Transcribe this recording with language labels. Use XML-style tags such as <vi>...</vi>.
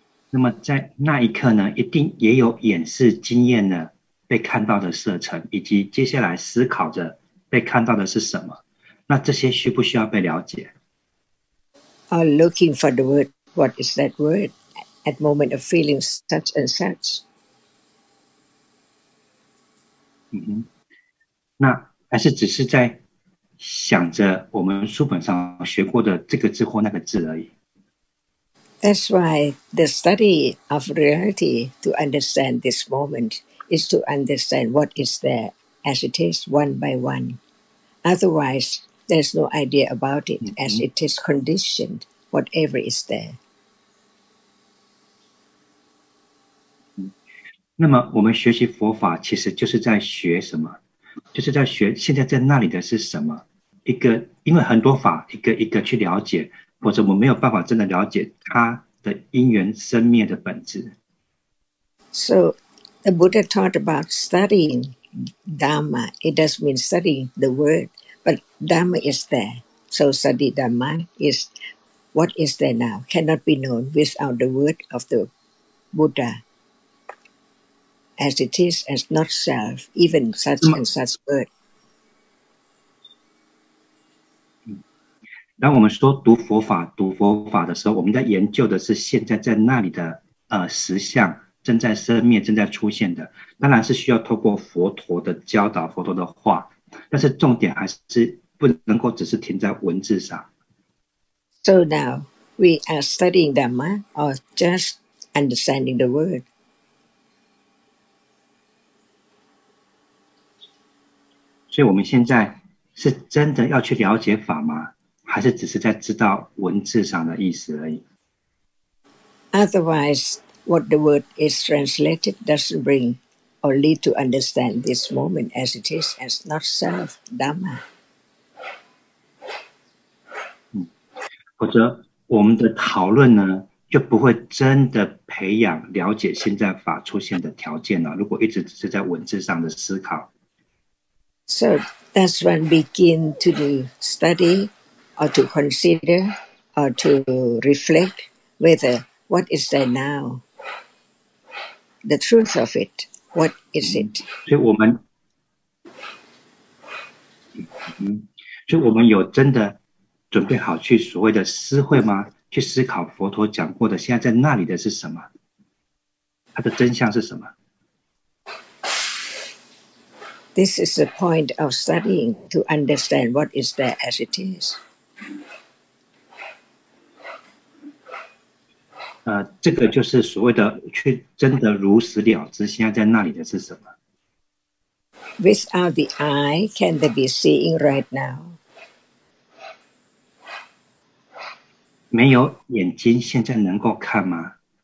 <zh>那么在那一刻呢，一定也有演示经验呢，被看到的色尘，以及接下来思考着被看到的是什么。那这些需不需要被了解</zh> <en>？Looking for the word, what is that word? At moment of feeling such and such.</en> <zh>那还是只是在想着我们书本上学过的这个字或那个字而已。</zh> <en>That's why the study of reality to understand this moment is to understand what is there as it is one by one. Otherwise, there's no idea about it as it is conditioned, whatever is there.</en> <zh>那么我们学习佛法其实就是在学什么？就是在学现在在那里的是什么？一个，因为很多法，一个一个去了解。或者我们没有办法真的了解它的因缘生灭的本质。</zh> <en>So, the Buddha taught about studying Dhamma. It does mean studying the word, but Dhamma is there. So, study Dhamma is what is there now, cannot be known without the word of the Buddha. As it is, as not self, even such and such word.</en> <zh>当我们说读佛法，读佛法的时候，我们在研究的是现在在那里的实相，正在生灭，正在出现的。当然是需要透过佛陀的教导，佛陀的话，但是重点还是不能够只是停在文字上。</zh> <en>So now we are studying Dhamma or just understanding the word?</en> <zh>所以我们现在是真的要去了解法吗？还是只是在知道文字上的意思而已。</zh> <en>Otherwise, what the word is translated doesn't bring or lead to understand this moment as it is, as not self, Dhamma.</en> <zh>否则我们的讨论呢，就不会真的培养了解现在法出现的条件了。如果一直只是在文字上的思考。</zh> <en>So that's when begin to do study. Or to consider, or to reflect whether what is there now, the truth of it, what is it?</en> <zh>所以我们有真的准备好去所谓的思慧吗？去思考佛陀讲过的现在在那里的是什么？它的真相是什么？</zh> <en>This is the point of studying to understand what is there as it is.</en> <zh>这个就是所谓的去真的如实了知现在在那里的是什么。</zh> <en>Without the eye, can there be seeing right now?</en> <zh>没有眼睛，现在能够看吗？</zh>